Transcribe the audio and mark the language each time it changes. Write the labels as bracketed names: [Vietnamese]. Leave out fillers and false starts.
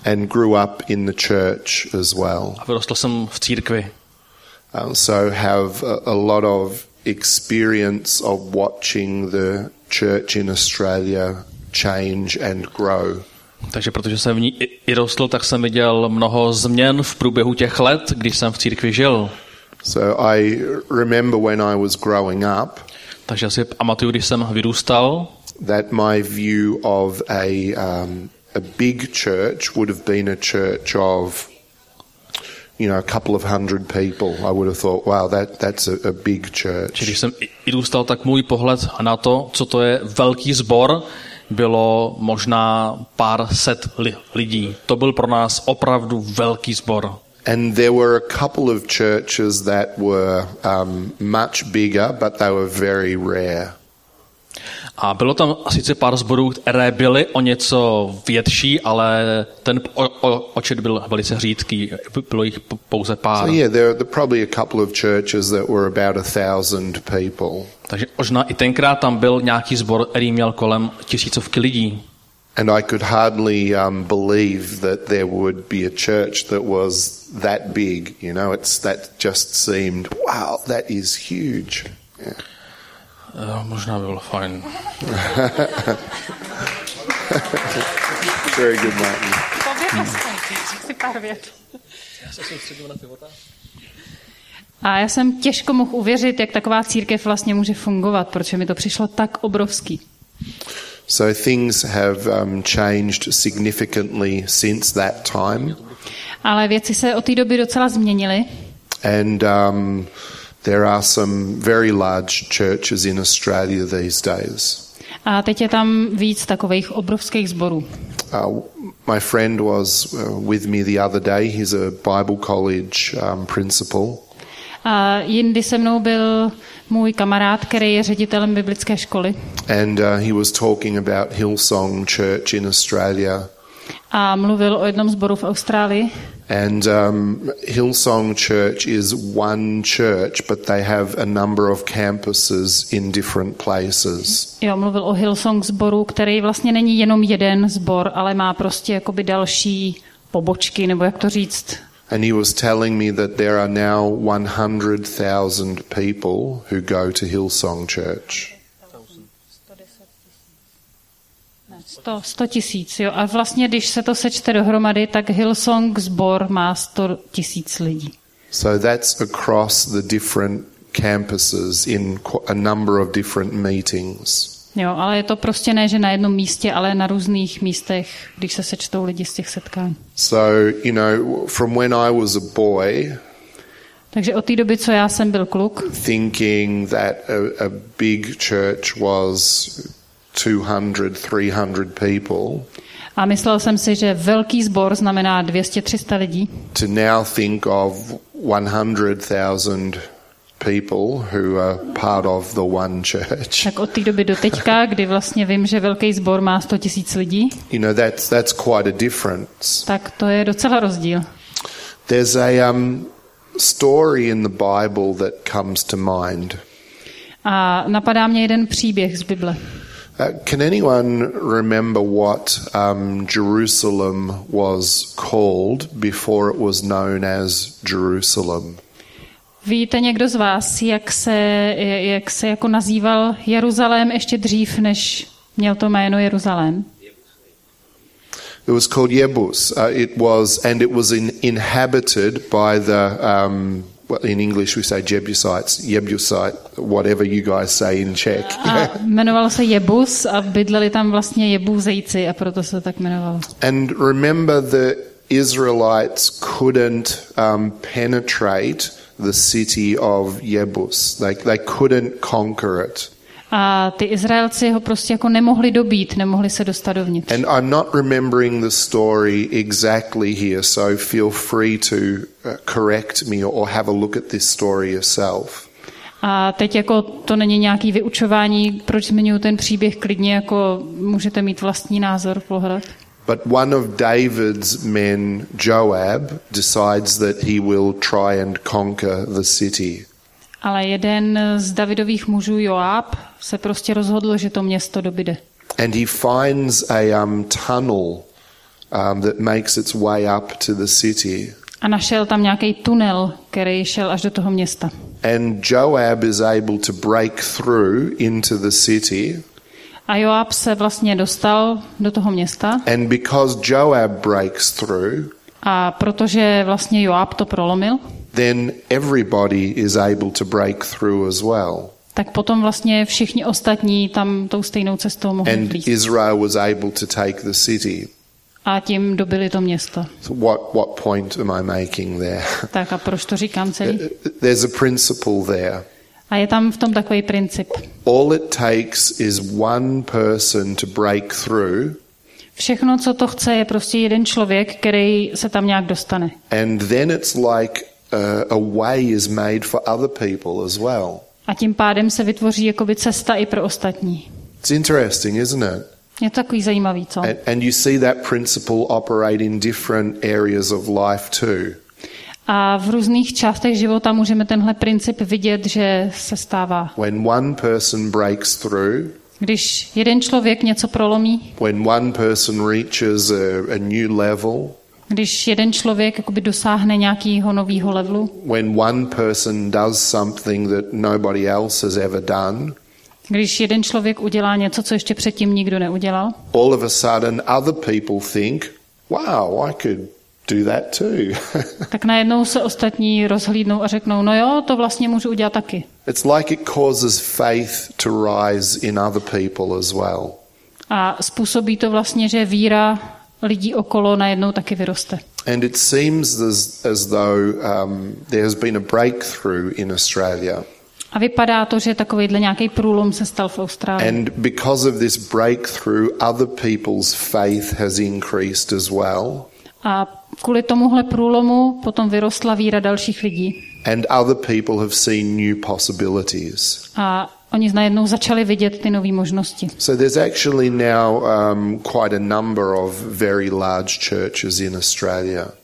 [English] And grew up in the church as well. [Czech] A vyrostl jsem v církvi. [English] So have a lot of experience of watching the church in Australia change and grow. [Czech] Takže protože jsem v ní i rostl, tak jsem viděl mnoho změn v průběhu těch let, když jsem v církvi žil. [English] So I remember when I was growing up. [Czech] Takže si pamatuju, když jsem vyrůstal. [English] That my view of a big church would have been a church of, you know, a couple of hundred people. I would have thought, wow, that's a big church. [Czech] Když jsem i vyrůstal, tak můj pohled na to, co to je velký sbor, bylo možná pár set lidí. To byl pro nás opravdu velký sbor. [English] And there were a couple of churches that were much bigger, but they were very rare. [Czech] A bylo tam sice pár sborů, které byly o něco větší, ale ten počet byl velice řídký. Bylo jich pouze pár. [English] So yeah, there were probably a couple of churches that were about 1,000 people. [Czech] Takže možná i tenkrát tam byl nějaký sbor, který měl kolem tisícovky lidí. [English] And I could hardly believe that there would be a church that was that big. You know, it's that just seemed, wow, that is huge. Yeah. [Czech] Možná by bylo fajn. [English] Very good, Martin. [Czech] Pověd aspoň, řekl si pár věd. A já jsem těžko mohl uvěřit, jak taková církev vlastně může fungovat, protože mi to přišlo tak obrovský. [English] So things have changed significantly since that time. [Czech] Ale věci se od té doby docela změnily. [English] And there are some very large churches in Australia these days. [Czech] A teď je tam víc takových obrovských sborů. [English] My friend was with me the other day. He's a Bible college principal. [Czech] A jindy se mnou byl můj kamarád, který je ředitelem biblické školy. [English] And he was talking about Hillsong Church in Australia. [Czech] A mluvil o jednom sboru v Austrálii. [English] And Hillsong Church is one church, but they have a number of campuses in different places. [Czech] Jo, mluvil o Hillsong sboru, který vlastně není jenom jeden sbor, ale má prostě jakoby další pobočky, nebo jak to říct. [English] And he was telling me that there are now 100,000 people who go to Hillsong Church. [Czech] 100 000, jo. A vlastně, když se to sečte dohromady, tak Hillsong sbor má 100 000 lidí. [English] So that's across the different campuses in a number of different meetings. [Czech] Jo, ale je to prostě ne, že na jednom místě, ale na různých místech, když se sečtou lidi z těch setkání. [English] So, you know, from when I was a boy. [Czech] Takže od té doby, co já jsem byl kluk. [English] Thinking that a big church was 200, 300 people. [Czech] A myslel jsem si, že velký sbor znamená 200, 300 lidí. [English] To now think of 100,000 people who are part of the one church. [Czech] Tak od té doby do teďka, kdy vlastně vím, že velký sbor má 100 000 lidí. [English] You know, that's quite a difference. [Czech] Tak to je docela rozdíl. [English] There's a story in the Bible that comes to mind. [Czech] A napadá mě jeden příběh z Bible. [English] Can anyone remember what Jerusalem was called before it was known as Jerusalem? [Czech] Víte někdo z vás, jak se jako nazýval Jeruzalém ještě dřív, než měl to jméno Jeruzalém? [English] It was called Jebus. It was inhabited by the in English we say Jebusite, whatever you guys say in Czech. [Czech] Jmenovalo se Jebus a bydleli tam vlastně Jebuzejci a proto se tak jmenovalo. [English] And remember the Israelites couldn't penetrate the city of Jebus. They couldn't conquer it. [Czech] A ty Izraelci ho prostě jako nemohli dobít, nemohli se dostat dovnitř. [English] And I'm not remembering the story exactly here, so feel free to correct me or have a look at this story yourself. [Czech] A teď jako to není nějaký vyučování, proč zmiňuji ten příběh, klidně jako můžete mít vlastní názor pohrat. [English] But one of David's men, Joab, decides that he will try and conquer the city. [Czech] Ale jeden z Davidových mužů, Joab, se prostě rozhodl, že to město dobyde. [English] And he finds a tunnel that makes its way up to the city. [Czech] A našel tam nějaký tunel, který šel až do toho města. [English] And Joab is able to break through into the city. [Czech] A Joab se vlastně dostal do toho města. [English] And because Joab breaks through, [Czech] a protože vlastně Joab to prolomil, [English] then everybody is able to break through as well. [Czech] Tak potom vlastně všichni ostatní tam tou stejnou cestou mohli [English] and [Czech] vlít. [English] Israel was able to take the city. [Czech] A tím dobili to město. [English] So what point am I making there? [Czech] Tak a proč to říkám celý? [English] There's a principle there. [Czech] A je tam v tom takový princip. [English] All it takes is one person to break through. [Czech] Všechno, co to chce, je prostě jeden člověk, který se tam nějak dostane. [English] And then it's like a way is made for other people as well. [Czech] A tím pádem se vytvoří jakoby cesta i pro ostatní. [English] It's interesting, isn't it? [Czech] Je to takový zajímavý, co? [English] And you see that principle operate in different areas of life too. [Czech] A v různých částech života můžeme tenhle princip vidět, že se stává. [English] When one person breaks through, [Czech] když jeden člověk něco prolomí, [English] when one person reaches a new level, [Czech] když jeden člověk jakoby dosáhne nějakého nového levelu, [English] when one person does something that nobody else has ever done, [Czech] když jeden člověk udělá něco, co ještě předtím nikdo neudělal, [English] all of a sudden other people think, wow, I could do that too. [Czech] Tak najednou se ostatní rozhlídnou a řeknou, no jo, to vlastně můžu udělat taky. [English] It's like it causes faith to rise in other people as well. [Czech] A způsobí to vlastně, že víra lidí okolo najednou taky vyroste. [English] And it seems as though there has been a breakthrough in Australia. [Czech] A vypadá to, že takovýhle nějaký průlom se stal v Austrálii. [English] And because of this breakthrough, other people's faith has increased as well. [Czech] A kvůli tomuhle průlomu potom vyrostla víra dalších lidí. [English] And other people have seen new possibilities. [Czech] A oni najednou začali vidět ty nové možnosti. [English] So there's actually now quite a number of very large churches in Australia.